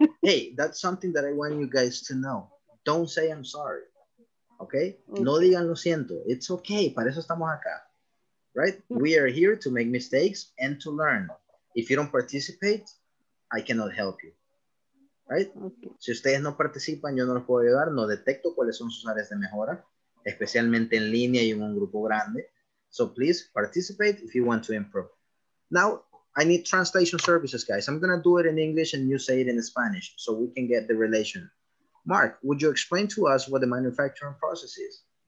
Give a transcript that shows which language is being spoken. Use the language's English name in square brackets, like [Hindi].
[English] Hey, that's something that I want you guys to know. Don't say I'm sorry. Okay? [Spanish] No digan lo siento. [English] It's okay. [Spanish] Para eso estamos acá. [English] Right? We are here to make mistakes and to learn. If you don't participate, I cannot help you, right? Okay. [Spanish] Si ustedes no participan, yo no los puedo ayudar, no detecto cuáles son sus áreas de mejora, especialmente en línea y en un grupo grande. [English] So please participate if you want to improve. Now, I need translation services, guys. I'm gonna do it in English and you say it in Spanish so we can get the relation. Mark, would you explain to us what the manufacturing process is?